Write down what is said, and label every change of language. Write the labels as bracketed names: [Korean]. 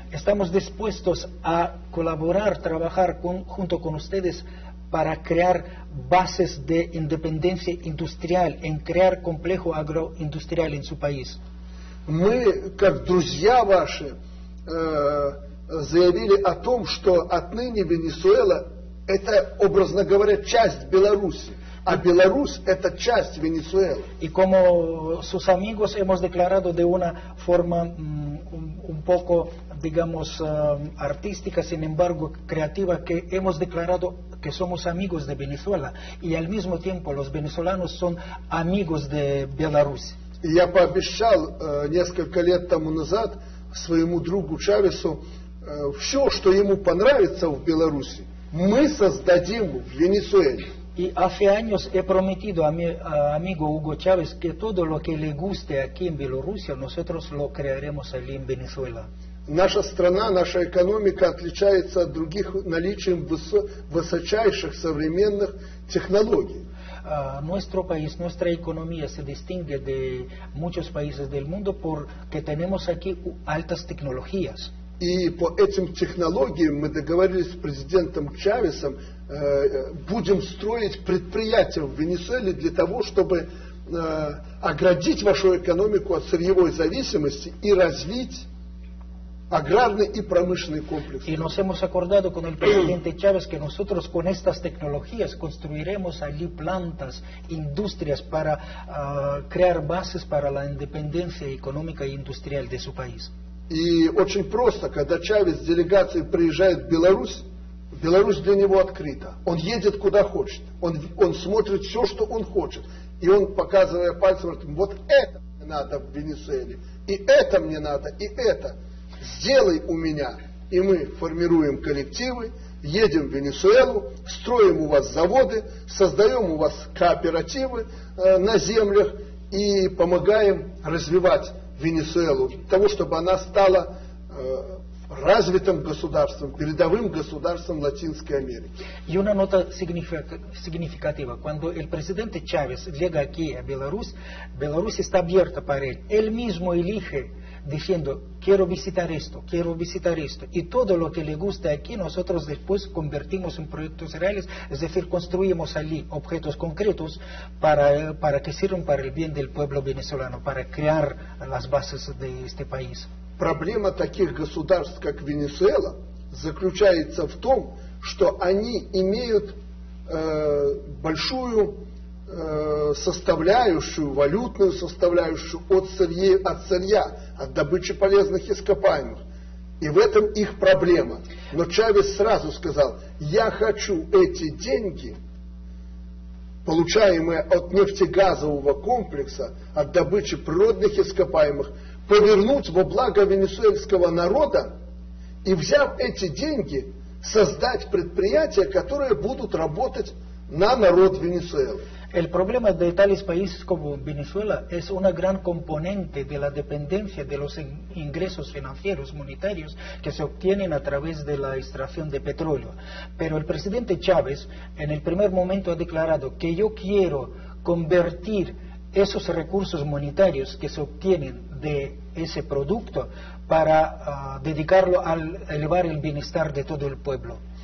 [Spanish] Estamos dispuestos a colaborar, trabajar junto con ustedes para crear bases de independencia industrial, en crear complejo agroindustrial en su país. [Russian] Мы, как друзья ваши, заявили о том, что отныне Венесуэла – это, образно говоря, часть Беларуси, а Беларусь – это часть Венесуэлы. И [Spanish] como sus amigos hemos declarado de una forma un poco, digamos, artística, sin embargo, creativa, que hemos declarado que somos amigos de Venezuela, y al mismo tiempo los venezolanos son amigos de Belarus. [Russian] Я пообещал несколько лет тому назад своему другу Чавесу, все, что ему понравится в Беларуси, мы создадим в Венесуэле. [Spanish] Y hace años he prometido a mi amigo Hugo Chávez que todo lo que le guste aquí en Bielorrusia nosotros lo crearemos allí en Venezuela. [Russian] Наша страна, наша экономика отличается от других наличием высочайших современных технологий. [Spanish] Nuestro país, nuestra economía se distingue de muchos países del mundo porque tenemos aquí altas tecnologías. [Russian] И по этим технологиям мы договорились с президентом Чавесом, будем строить предприятия в Венесуэле для того, чтобы оградить вашу экономику от сырьевой зависимости и развить аграрный и промышленный комплекс. И [Spanish] nos hemos acordado con el presidente Chávez que nosotros con estas tecnologías construiremos allí plantas, industrias para crear bases para la independencia económica e industrial de su país. [Russian] И очень просто, когда Чавес с делегацией приезжает в Беларусь, Беларусь для него открыта. Он едет куда хочет. Он смотрит все, что он хочет. И он, показывая пальцем, говорит, вот это мне надо в Венесуэле. И это мне надо, и это. Сделай у меня. И мы формируем коллективы, едем в Венесуэлу, строим у вас заводы, создаем у вас кооперативы на землях и помогаем развивать Венесуэлу, для того, чтобы она стала развитым государством, передовым государством Латинской Америки. [Spanish] Y una nota significativa. Cuando el presidente Chávez llega aquí a Belarus, Belarus está abierta para él. Él mismo elige diciendo, quiero visitar esto, y todo lo que le gusta aquí, nosotros después convertimos en proyectos reales, es decir, construimos allí objetos concretos para que sirvan para el bien del pueblo venezolano, para crear las bases de este país. [Russian] Проблема таких государств, как Венесуэла, заключается в том, что они имеют большую составляющую, валютную составляющую от сырья, от добычи полезных ископаемых. И в этом их проблема. Но Чавес сразу сказал, я хочу эти деньги, получаемые от нефтегазового комплекса, от добычи природных ископаемых, повернуть во благо венесуэльского народа и, взяв эти деньги, создать предприятия, которые будут работать на народ Венесуэлы. [Spanish] El problema de tales países como Venezuela es una gran componente de la dependencia de los ingresos financieros monetarios que se obtienen a través de la extracción de petróleo. Pero el presidente Chávez en el primer momento ha declarado que yo quiero convertir esos recursos monetarios que se obtienen de ese producto para dedicarlo a elevar el bienestar de todo el pueblo.